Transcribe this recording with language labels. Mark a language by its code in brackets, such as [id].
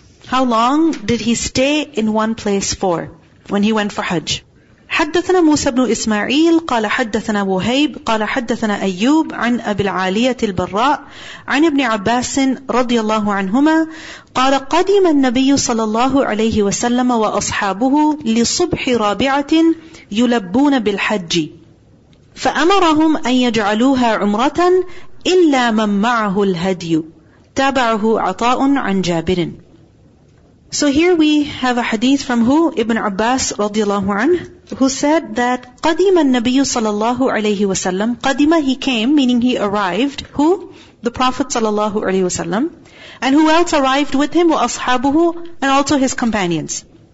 [en] How long did he stay in one place for, when he went for Hajj. [ar] حدثنا موسى بن إسماعيل قال حدثنا وهيب قال حدثنا أيوب عن أبي العالية البراء عن ابن عباس رضي الله عنهما قال قدم النبي صلى الله عليه وسلم وأصحابه لصبح رابعة يلبون بالحج فأمرهم أن يجعلوها عمرة إلا من معه الهدي. تابعه عطاء عن جابر. [en] So here we have a hadith from who? Ibn Abbas radiallahu anhu, who said that [ar] قَدِمَ النَّبِيُّ صَلَى اللَّهُ عَلَيْهِ وَسَلَّمْ. [en] قَدِمَ, he came, meaning he arrived. Who? The Prophet [ar] صَلَى اللَّهُ عَلَيْهِ وَسَلَّمْ. [en] And who else arrived with him? وَأَصْحَابُهُ, and also his companions.